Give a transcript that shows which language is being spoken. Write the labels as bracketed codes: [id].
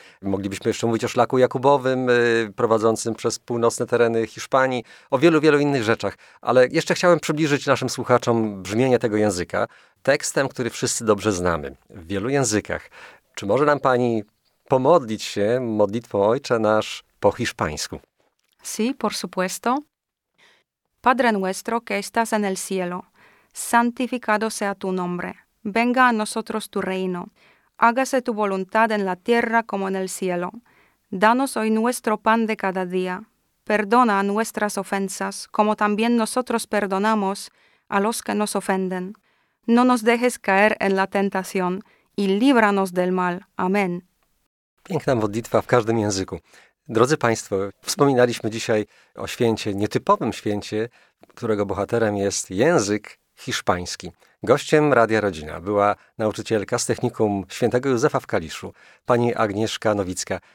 [pl] Moglibyśmy jeszcze mówić o szlaku jakubowym prowadzącym przez północne tereny Hiszpanii, o wielu, wielu innych rzeczach. Ale jeszcze chciałem przybliżyć naszym słuchaczom brzmienie tego języka tekstem, który wszyscy dobrze znamy w wielu językach. Czy może nam pani pomodlić się modlitwą Ojcze Nasz po hiszpańsku? [es] Sí, por supuesto. Padre nuestro que estás en el cielo. Santificado sea tu nombre. Venga a nosotros tu reino. Hágase tu voluntad en la tierra como en el cielo. Danos hoy nuestro pan de cada día. Perdona nuestras ofensas, como también nosotros perdonamos a los que nos ofenden. No nos dejes caer en la tentación i libra nos del mal. Amen. [pl] Piękna modlitwa w każdym języku. Drodzy Państwo, wspominaliśmy dzisiaj o święcie, nietypowym święcie, którego bohaterem jest język hiszpański. Gościem Radia Rodzina była nauczycielka z Technikum Świętego Józefa w Kaliszu, pani Agnieszka Nowicka.